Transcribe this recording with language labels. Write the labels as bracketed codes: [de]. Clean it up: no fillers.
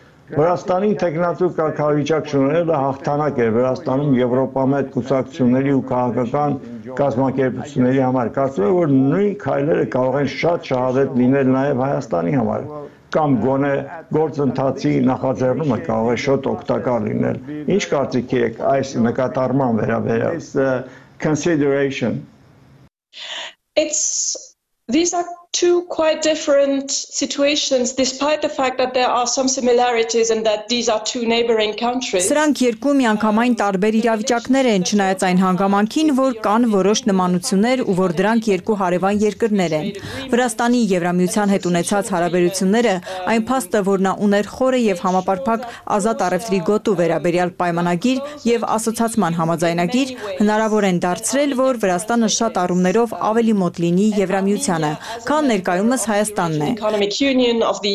[hy] Վրաստանի տեղնացու կարգավիճակ շնորհելը հաղթանակ է Վրաստանում եվրոպամետ կուսակցությունների ու քաղաքական կազմակերպությունների համար։ Կարծում եմ, որ նույն քայլերը կարող են շատ շահավետ լինել նաև Հայաստանի համար, կամ գոնե գործընթացի նախաձեռնումը կարող է շատ օգտակար լինել։ Ինչ կարծիքի եք այս նկատառման վերաբերյալ? [en] Consideration. These are two quite different situations, despite the fact that there are some similarities and that these are two neighboring countries. [hy] Սրանք երկու միանգամայն տարբեր իրավիճակներ են, չնայած այն հանգամանքին, որ կան որոշ նմանություններ ու որ դրանք երկու հարևան երկրներ են։ Վրաստանի Եվրամիության հետ ունեցած հարաբերությունները, այն փաստը, որ նա ուներ խորը եւ համապարփակ ազատ առևտրի գոտու վերաբերյալ պայմանագիր եւ ասոցացման համաձայնագիր, հնարավոր են դարձրել, որ Վրաստանը շատ առումներով ավելի մոտ լինի Եվրամիությանը, քան ներկայումս Հայաստանն է։